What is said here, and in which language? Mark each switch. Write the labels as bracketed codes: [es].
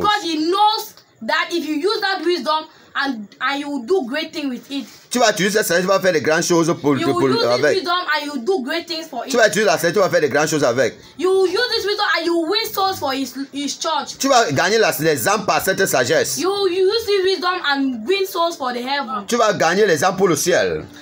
[en] Because he knows that if you use that wisdom and you will do great things with it. [fr] Tu vas utiliser la sagesse, tu vas faire des grandes choses pour avec. [en] You will use this wisdom and you will do great things for it. [fr] Tu vas utiliser la sagesse, tu vas faire des grandes choses avec. [en] You will use this wisdom and you will win souls for his church. [fr] Tu vas gagner les âmes par cette sagesse. [en] You will use this wisdom and win souls for the heaven. [fr] Tu vas gagner les âmes pour le ciel.